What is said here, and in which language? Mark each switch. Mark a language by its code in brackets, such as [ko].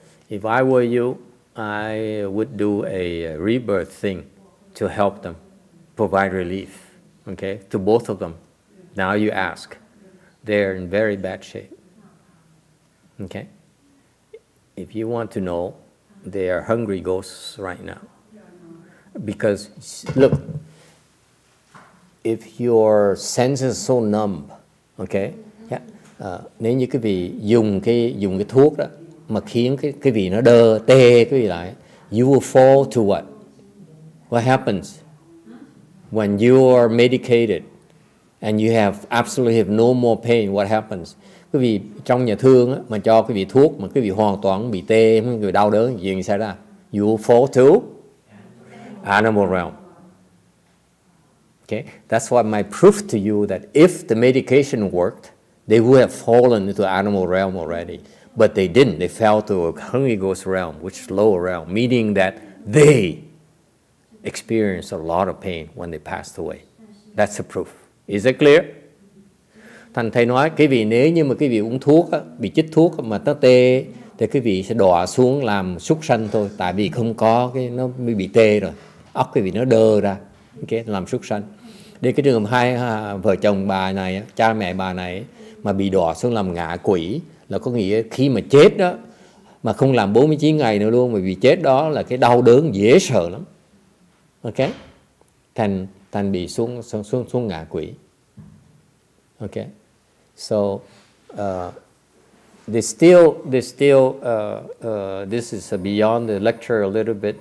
[en] If I were you, I would do a rebirth thing to help them, provide relief, okay, to both of them. Now you ask. They're in very bad shape, okay? If you want to know, they are hungry ghosts right now. Because, look, if your senses are so numb, okay, [vi] nên như cái vị dùng cái thuốc đó, mà khiến cái vị nó đơ, tê cái vị lại. [en] You will fall to what? What happens? When you are medicated and you absolutely have no more pain, what happens? [vi] Quý vị trong nhà thương á, mà cho cái vị thuốc mà cái vị hoàn toàn bị tê, cái vị đau đớn, chuyện gì xảy ra? [en] You will fall to animal realm. Okay? That's what my proof to you that if the medication worked, they would have fallen into animal realm already. But they didn't. They fell to a Holy Ghost realm, which is lower realm, meaning that they experienced a lot of pain when they passed away. That's the proof. Is it clear? [vi] Thành thầy nói, quý vị nếu như mà quý vị uống thuốc, bị chích thuốc mà nó tê, thì quý vị sẽ đọa xuống làm súc sanh thôi, tại vì không có cái nó mới bị tê rồi, óc quý vị nó đơ ra, ok, làm súc sanh. Để cái trường hợp hai vợ chồng bà này, cha mẹ bà này mà bị đọa xuống làm ngạ quỷ, là có nghĩa khi mà chết đó, mà không làm 49 ngày nữa luôn, mà bị chết đó là cái đau đớn dễ sợ lắm, ok, thành bị xuống ngạ quỷ. [en] Okay, so this is beyond the lecture a little bit.